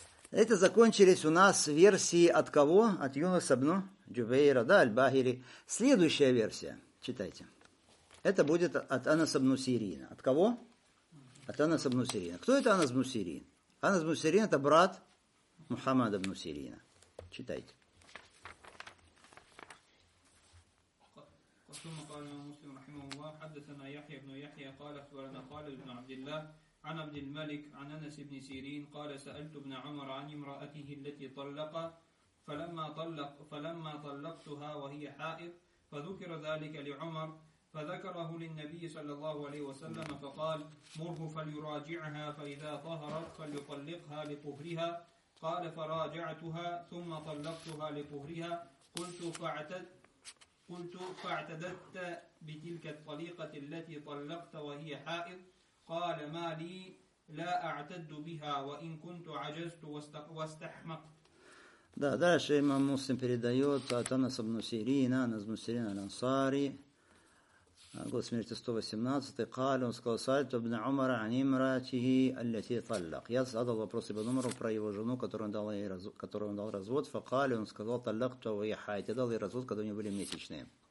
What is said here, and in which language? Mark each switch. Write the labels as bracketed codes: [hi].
[ru] Это закончились у нас версии от кого? От Юнуса ибн Джубейра, да, аль-Бахили. Следующая версия, читайте. Это будет от Анаса ибн Сирина. От кого? От Анаса ибн Сирина. Кто это Анас ибн Сирин? Анас ибн Сирин – это брат Мухаммада ибн Сирина. Читайте. [ar] ثم قال الإمام مسلم رحمه الله حدثنا يحيى بن يحيى قال أخبرنا خالد بن عبد الله عن عبد الملك عن أنس بن سيرين قال سألت ابن عمر عن امرأته التي طلق فلما طلقتها وهي حائض فذكر ذلك لعمر فذكره للنبي صلى الله عليه وسلم فقال مره فليراجعها فإذا طهرت فليطلقها لطهرها قال فراجعتها ثم طلقتها لطهرها قلت فاعتد قلت فاعتدت بتلك الطليقة التي طلقت وهي حائض؟ قال ما لي لا أعتد بها وإن كنت عجزت واستحمقت. [ru] Да, дальше имам Муслим передает от Анас ибн Сирина, Анас ибн Сирин аль-Ансари, год смерти 118-й, Кали, он сказал, [ar] Сальту ибн Умара анимратихи аль-лати таллак. [ru] Я задал вопрос ибн Умару про его жену, которую он дал развод, факали, он сказал, [ar] таллак то ва яхай, [ru] ты дал ей развод, когда у нее были месячные.